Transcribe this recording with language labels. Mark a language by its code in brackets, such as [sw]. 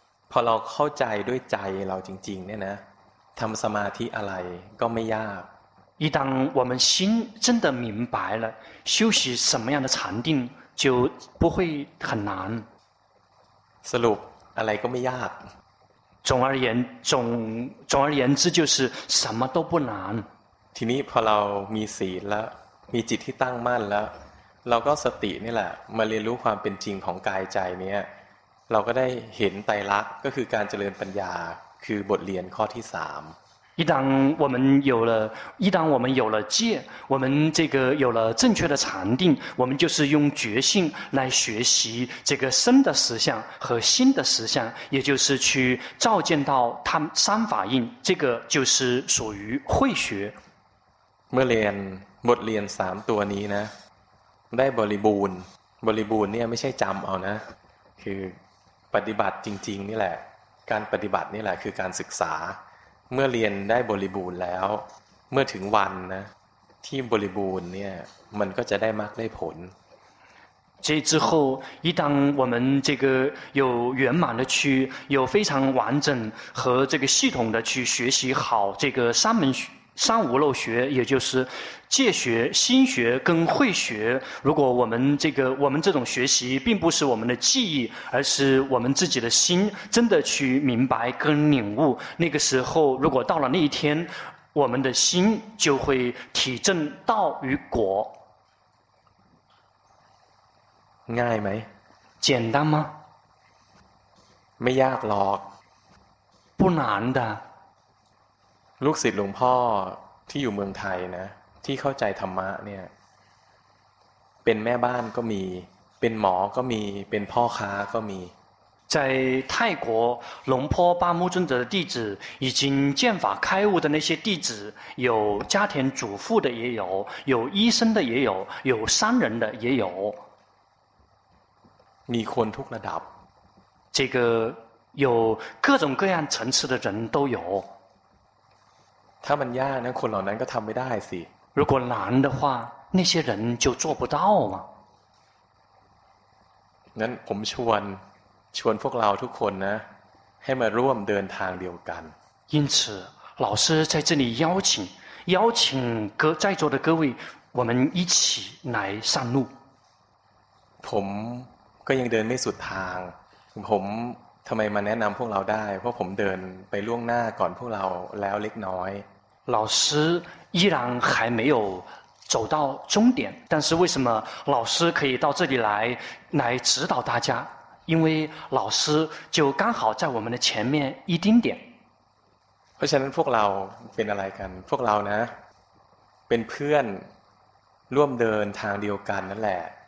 [th] พอเราเข้าใจด้วยใจเราจริงๆเนี่ยนะทำสมาธิอะไรก็ไม่ยาก [zh] 一旦我们心真的明白了修习什么样的禅定就不会很难 [th] สรุปอะไรก็ไม่ยาก [zh] 总而言之就是什么都不难 [th] ทีนี้พอเรามีศีลแล้วมีจิตที่ตั้งมั่นแล้วเราก็สตินี่แหละมาเรียนรู้ความเป็นจริงของกายใจเนี้ยเราก็ได้เห็นไตรลักษณ์ก็คือการเจริญปัญญาคือบทเรียนข้อที่3 [zh] 一旦我们有了戒我们这个有了正确的禅定我们就是用觉性来学习这个身的实相和心的实相也就是去照见到它三法印这个就是属于慧学 [th] เมื่อเรียน บทเรียน3ตัวนี้นะได้บริบูรณ์บริบูรณ์เนี่ยไม่ใช่จำเอานะคือปฏิบัติจริงๆนี่แหละการปฏิบัตินี่แหละคือการศึกษาเมื่อเรียนได้บริบูรณ์แล้วเมื่อถึงวันนะที่บริบูรณ์เนี่ยมันก็จะได้มรรคได้ผล [zh] 这之后，一旦我们这个有圆满的去，有非常完整和这个系统的去学习好这个三门三无漏学，也就是戒学、心学跟慧学。如果我们这个我们这种学习，并不是我们的记忆，而是我们自己的心真的去明白跟领悟。那个时候，如果到了那一天，我们的心就会体证道与果。 [th] ง่ายไหม [zh] 简单吗 [th] ไม่ยากหรอก [zh] 不难的 [th] ลูกศิษย์หลวงพ่อที่อยู่เมืองไทยนะที่เข้าใจธรรมะเนี่ยเป็นแม่บ้านก็มีเป็นหมอก็มีเป็นพ่อค้าก็มี [zh] 在泰国龙坡巴木尊者的弟子已经见法开悟的那些弟子有家庭主妇的也有有医生的也有有商人的也有 [th] มีคนทุกระดับ [zh] 这个有各种各样层次的人都有 [th] ถ้ามันยากนะคนเหล่านั้นก็ทำไม่ได้สิ [zh] 如果难的话那些人就做不到嘛 [th] นั้นผมชวนพวกเราทุกคนนะให้มาร่วมเดินทางเดียวกัน [zh] 因此老师在这里邀请各在座的各位我们一起来上路 [th] ผมก็ยังเดินไม่สุดทางผมทำไมมาแนะนำพวกเราได้เพราะผมเดินไปล่วงหน้าก่อนพวกเราแล้วเล็กน้อย [zh] 老师依然还没有走到终点但是为什么老师可以到这里来指导大家因为老师就刚好在我们的前面一丁点 [th] เพราะฉะนั้นพวกเราเป็นอะไรกันพวกเรานะเป็นเพื่อนร่วมเดินทางเดียวกันนั่นแหละ